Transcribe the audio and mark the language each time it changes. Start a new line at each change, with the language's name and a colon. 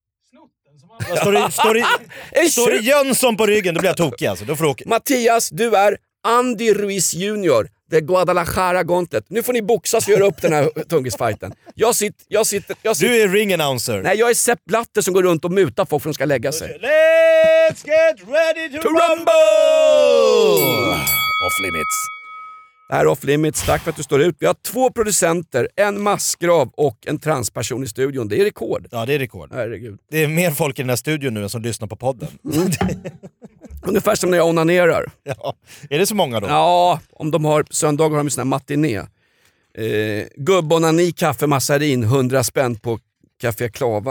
Swedish: Snotten som har... Står det Jönsson på ryggen, då blir jag tokig alltså. Då får du åka. Mattias, du är Andy Ruiz Jr. Det är Guadalajara-gontlet. Nu får ni boxas och göra upp den här tungisfajten. Jag sitter. Du är ring announcer. Nej, jag är Sepp Blatter som går runt och mutar folk som ska lägga sig.
English: Let's get ready to rumble!
Swedish: Off limits. Det här är Off Limits. Tack för att du står ut. Vi har två producenter, en massgrav och en transperson i studion. Det är rekord. Ja, det är rekord. Herregud. Det är mer folk i den här studion nu än som lyssnar på podden. Ungefär som när jag onanerar. Ja. Är det så många då? Ja, om de har söndagar har de sina matiné. Gubbonani, kaffe, massarin, 100 spänn på Café Klava.